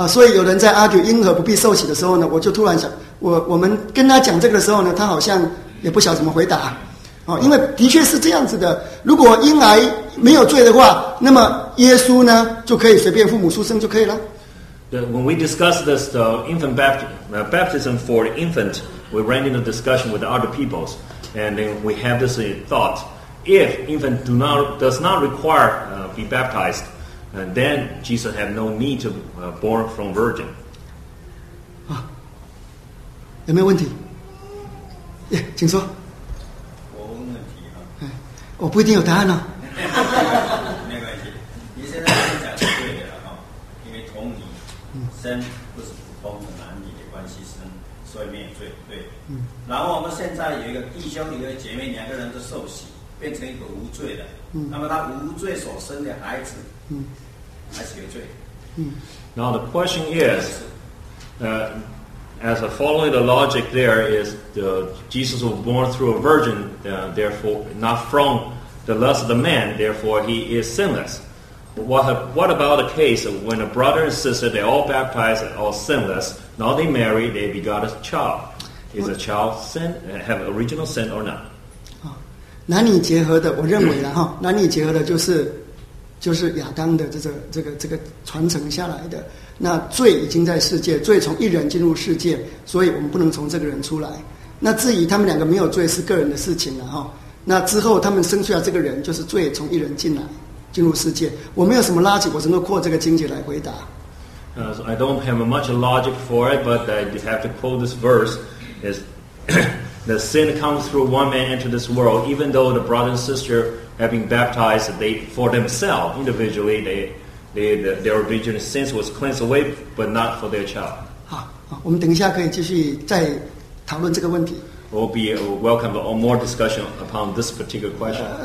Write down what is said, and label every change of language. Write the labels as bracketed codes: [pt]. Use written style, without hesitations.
[zh] 所以有人在 argue 婴儿不必受洗的时候呢，我就突然想，我们跟他讲这个的时候呢，他好像也不晓得怎么回答，因为的确是这样子的。如果婴儿没有罪的话，那么耶稣呢就可以随便父母出生就可以了。 [en] When we discussed this, the infant baptism for the infant, we ran into discussion with the other peoples, and then we have this thought. If infant does not require be baptized, then Jesus had no need to born from virgin. [zh] 有没有问题？请说。我问问题啊。我不一定有答案呢。没关系，你现在讲是对的了，因为同理生不是普通的男女的关系生，所以没有罪，对。然后我们现在有一个弟兄，一个姐妹，两个人都受洗。变成一个无罪的，那么他无罪所生的孩子，还是有罪。 [en] Now the question is, as a following the logic, there is the Jesus was born through a virgin, therefore not from the lust of the man, therefore he is sinless. What about the case of when a brother and sister they all baptized and all sinless, now they marry, they begot a child, is a child sin have original sin or not? [zh] 男女结合的，我认为了哈，男女结合的就是亚当的这个传承下来的。那罪已经在世界，罪从一人进入世界，所以我们不能从这个人出来。那至于他们两个没有罪是个人的事情了哈。那之后他们生出来这个人就是罪从一人进来进入世界。我没有什么逻辑，我只能扩这个经节来回答。 [en] So I don't have much logic for it, but I have to quote this verse is. The sin comes through one man into this world, even though the brother and sister have been baptized they, for themselves, individually, their original sins was cleansed away, but not for their child. [zh] 好，我们等一下可以继续再讨论这个问题。 [en] We'll be welcome to more discussion upon this particular question.